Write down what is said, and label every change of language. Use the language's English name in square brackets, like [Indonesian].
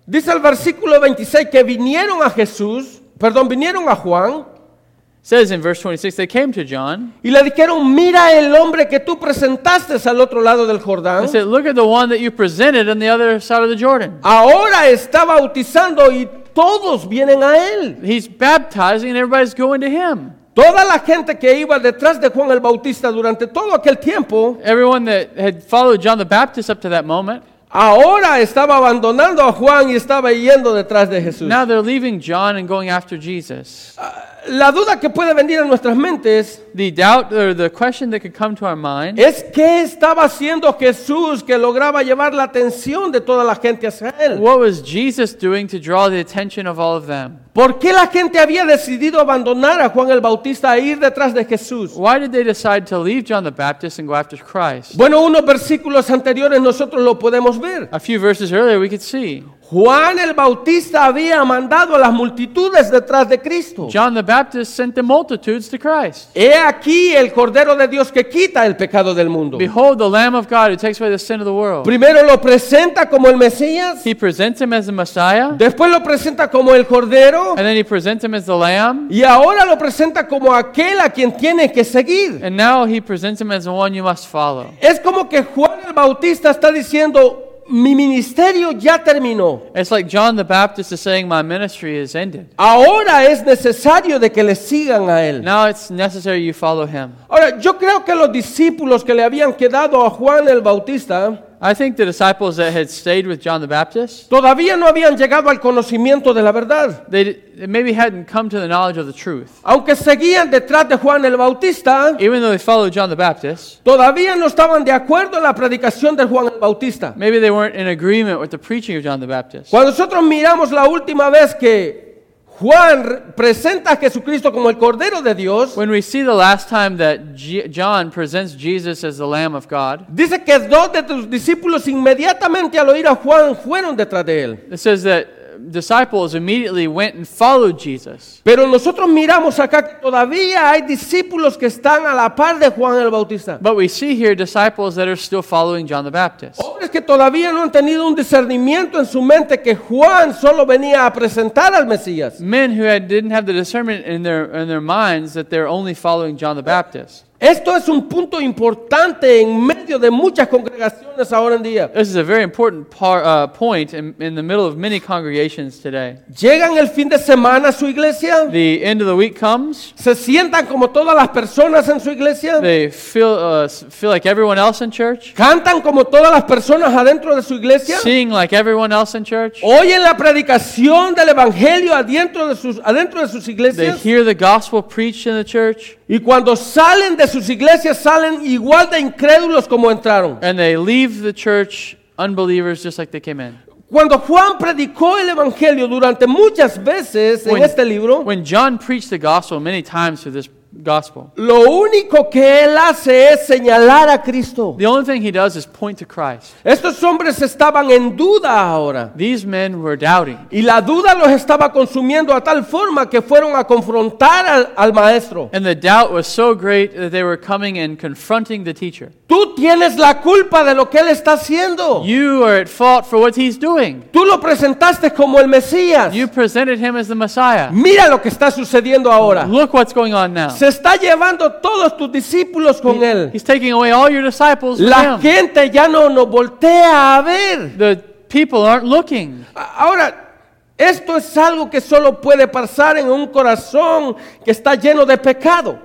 [Spanish] Dice el versículo 26 que vinieron a Jesús, perdón, vinieron a Juan. [English] Says in verse 26, they came to John. [Spanish] Y le dijeron, mira el hombre que tú presentaste al otro lado del Jordán. [English] They said, look at the one that you presented on the other side of the Jordan. [Spanish] Ahora está bautizando y todos vienen a él. [English] He's baptizing and everybody's going to him. [Spanish] Toda la gente que iba detrás de Juan el Bautista durante todo aquel tiempo. [English] Everyone that had followed John the Baptist up to that moment. [Spanish] Ahora estaba abandonando a Juan y estaba yendo detrás de Jesús. [English] Now they're leaving John and going after Jesus. [Spanish] La duda que puede venir a nuestras mentes, [English] the doubt or the question that could come to our mind, [Spanish] es qué estaba haciendo Jesús que lograba llevar la atención de toda la gente hacia él. [English] What was Jesus doing to draw the attention of all of them? [Spanish] ¿Por qué la gente había decidido abandonar a Juan el Bautista e ir detrás de Jesús? [English] Why did they decide to leave John the Baptist and go after Christ? [Spanish] Bueno, unos versículos anteriores nosotros lo podemos ver. [English] A few verses earlier we could see. [Spanish] Juan el Bautista había mandado a las multitudes detrás de Cristo. [English] John the Baptist sent the multitudes to Christ. [Spanish] He aquí el Cordero de Dios que quita el pecado del mundo. [English] Behold the Lamb of God who takes away the sin of the world. [Spanish] Primero lo presenta como el Mesías. [English] He presents him as the Messiah. [Spanish] Después lo presenta como el Cordero. [English] And then he presents him as the Lamb. [Spanish] Y ahora lo presenta como aquel a quien tiene que seguir. [English] And now he presents him as the one you must follow. [Spanish] Es como que Juan el Bautista está diciendo, mi ministerio ya terminó. [English] It's like John the Baptist is saying, my ministry is ended. [Spanish] Ahora es necesario de que le sigan a él. [English] Now it's necessary you follow him. [Spanish] Ahora, yo creo que los discípulos que le habían quedado a Juan el Bautista, [English] I think the disciples that had stayed with John the Baptist, [Spanish] todavía no habían llegado al conocimiento de la verdad. [English] They maybe hadn't come to the knowledge of the truth. [Spanish] Aunque seguían detrás de Juan el Bautista, [English] even though they followed John the Baptist, [Spanish] todavía no estaban de acuerdo en la predicación de Juan el Bautista. [English] Maybe they weren't in agreement with the preaching of John the Baptist. [Spanish] Cuando nosotros miramos la última vez que Juan presenta a Jesucristo como el Cordero de Dios, [English] when we see the last time that John presents Jesus as the Lamb of God, [Spanish] dice que dos de tus discípulos inmediatamente al oír a Juan fueron detrás de él. [English] It says that disciples immediately went and followed Jesus. [Spanish] Pero nosotros miramos acá que todavía hay discípulos que están a la par de Juan el Bautista. [English] But we see here disciples that are still following John the Baptist. [Spanish] Hombres que todavía no han tenido un discernimiento en su mente que Juan solo venía a presentar al Mesías. [English] Men who didn't have the discernment in their minds that they're only following John the Baptist. [Spanish] Esto es un punto importante en medio de muchas congregaciones ahora en día. [English] This is a very important point in the middle of many congregations today. [Spanish] Llegan el fin de semana a su iglesia. [English] The end of the week comes. [Spanish] Se sientan como todas las personas en su iglesia. [English] They feel like everyone else in church. [Spanish] Cantan como todas las personas adentro de su iglesia. [English] Sing like everyone else in church. [Spanish] Oyen la predicación del evangelio adentro de sus iglesias. [English] They hear the gospel preached in the church. [Spanish] Y cuando salen de sus iglesias salen igual de incrédulos como entraron. [English] And they leave the church unbelievers just like they came in. [Spanish] Cuando Juan predicó el evangelio durante muchas veces en este libro, [English] when John preached the gospel many times through this gospel. [Spanish] Lo único que él hace es señalar a Cristo. [English] The only thing he does is point to Christ. [Spanish] Estos hombres estaban en duda ahora. [English] These men were doubting. [Spanish] Y la duda los estaba consumiendo a tal forma que fueron a confrontar al maestro. [English] And the doubt was so great that they were coming and confronting the teacher. [Spanish] Tú tienes la culpa de lo que él está haciendo. [English] You are at fault for what he's doing. [Spanish] Tú lo presentaste como el Mesías. [English] You presented him as the Messiah. [Spanish] Mira lo que está sucediendo ahora. [English] Look what's going on now. [Spanish] Se está llevando todos tus discípulos con él. [English] He's taking away all your disciples with him. [Spanish] La gente ya no nos voltea a ver. [English] The people aren't looking. [Spanish] Ahora, esto es algo que solo puede pasar en un corazón que está lleno de pecado.